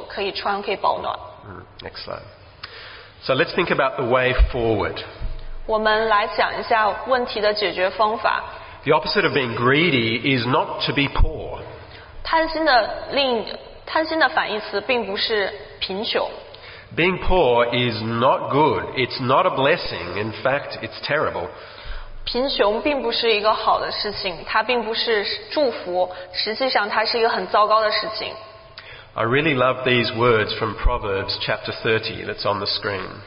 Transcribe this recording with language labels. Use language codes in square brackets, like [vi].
[zh] 我们总是会有住的地方，会有吃的东西，我们会有衣服可以穿，可以保暖。 [en] Next slide. So let's think about the way forward. [zh] 我们来想一下问题的解决方法。 [en] The opposite of being greedy is not to be poor. [zh] 贪心的反义词并不是贫穷。 [en] Being poor is not good. It's not a blessing. In fact, it's terrible. [zh] 贫穷并不是一个好的事情，它并不是祝福，实际上它是一个很糟糕的事情。 [en] I really love these words from Proverbs chapter 30 that's on the screen.